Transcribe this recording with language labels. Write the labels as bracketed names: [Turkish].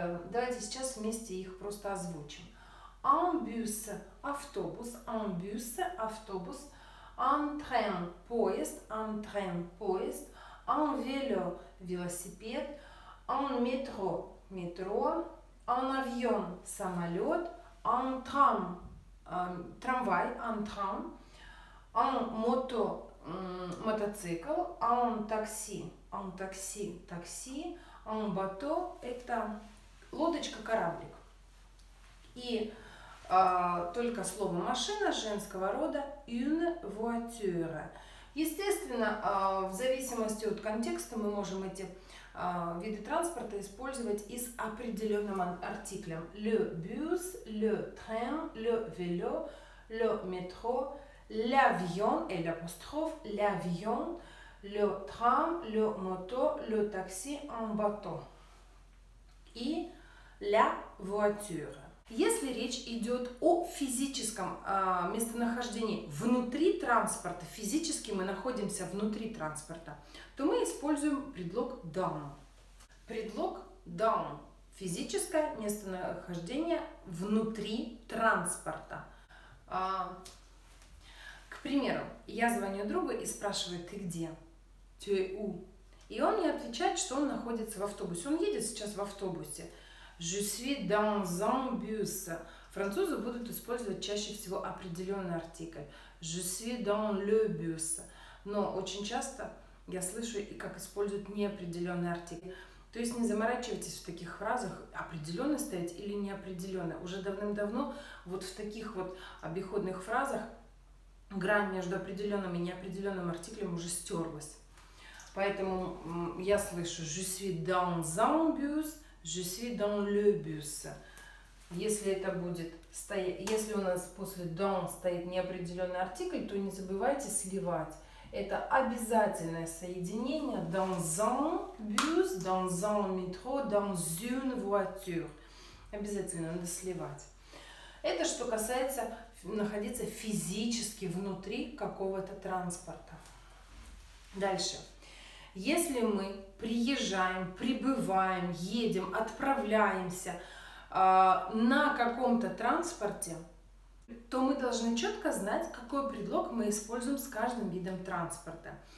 [Russian] Давайте сейчас вместе их просто озвучим. [French] Un bus, автобус, un bus, автобус. Un train, поезд. Un vélo, велосипед. Un métro, метро. Un avion, самолет. Un tram, трамвай, un tram. Un moto, [Russian] мотоцикл, он такси, такси, он бато, это лодочка, кораблик. И только слово машина женского рода une voiture. Естественно, в зависимости от контекста мы можем эти виды транспорта использовать и с определенным артиклем. [French] Le bus, le train, le vélo, le métro. L'avion, elle apostrophe, l'avion, le tram, le moto, le taxi, un bateau. И la voiture. [Russian] Если речь идет о физическом местонахождении внутри транспорта, физически мы находимся внутри транспорта, то мы используем предлог dans. Предлог dans. Физическое местонахождение внутри транспорта. К примеру, я звоню другу и спрашиваю, ты где? [French] Tu es où? [Russian] И он мне отвечает, что он находится в автобусе. Он едет сейчас в автобусе. [French] Je suis dans un bus. [Russian] Французы будут использовать чаще всего определенный артикль. [French] Je suis dans le bus. [Russian] Но очень часто я слышу, как используют неопределенный артикль. То есть не заморачивайтесь в таких фразах, определенно стоять или неопределенно. Уже давным-давно вот в таких вот обиходных фразах грань между определенным и неопределенным артиклем уже стерлась. Поэтому я слышу [French] «Je suis dans un bus», «Je suis dans le bus». [Russian] Если это будет стоять, если у нас после «dans» стоит неопределенный артикль, то не забывайте сливать. Это обязательное соединение «dans un bus», «dans un métro», «dans une voiture». Обязательно надо сливать. Это что касается находиться физически внутри какого-то транспорта. Дальше. Если мы приезжаем, прибываем, едем, отправляемся на каком-то транспорте, то мы должны четко знать, какой предлог мы используем с каждым видом транспорта.